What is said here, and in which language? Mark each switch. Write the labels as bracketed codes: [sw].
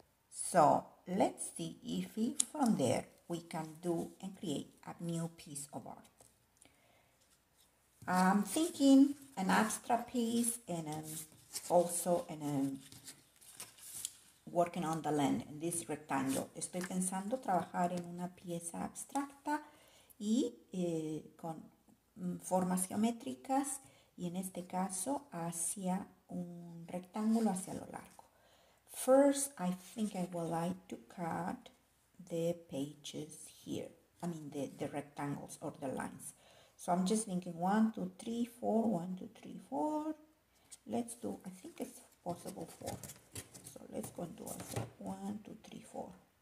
[en] So, let's see if from there we can do and create a new piece of art. I'm thinking an abstract piece and also in working on the land, in this rectangle. [es] Estoy pensando trabajar en una pieza abstracta y con formas geométricas y en este caso hacia un rectángulo hacia lo largo. [en] First, I think I would like to cut the pages here. I mean the rectangles or the lines. So I'm just thinking 1, 2, 3, 4, 1, 2, 3, 4. Let's do, I think it's possible 4. So let's go and do 1, 2, 3, 4.